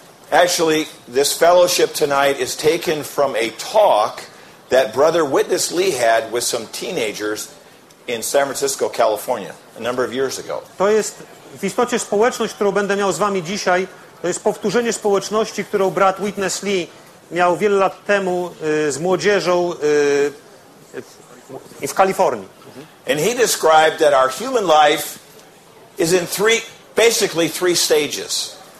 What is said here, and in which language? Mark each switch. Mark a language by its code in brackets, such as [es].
[en] Actually, this fellowship tonight is taken from a talk that Brother Witness Lee had with some teenagers in San Francisco, California, a number of years ago. [pl] To jest w istocie społeczność, którą będę miał z wami dzisiaj. To jest powtórzenie społeczności, którą brat Witness Lee miał wiele lat temu z młodzieżą w Kalifornii. [en] And he described that our human life is in basically three stages.